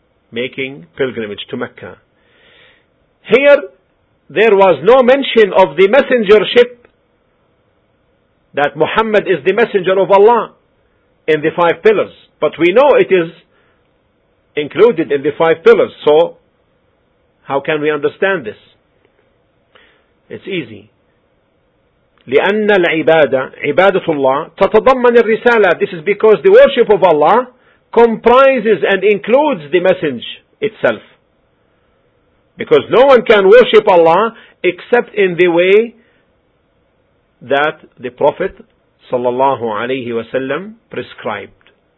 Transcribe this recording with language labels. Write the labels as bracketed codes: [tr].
[en] making pilgrimage to Mecca. Here, there was no mention of the messengership, that Muhammad is the messenger of Allah in the five pillars. But we know it is included in the five pillars. So, how can we understand this? It's easy. [ar] لأن العبادة عبادة الله تتضمن الرسالة. [en] This is because the worship of Allah comprises and includes the message itself. Because no one can worship Allah except in the way that the Prophet صلى الله عليه وسلم prescribed.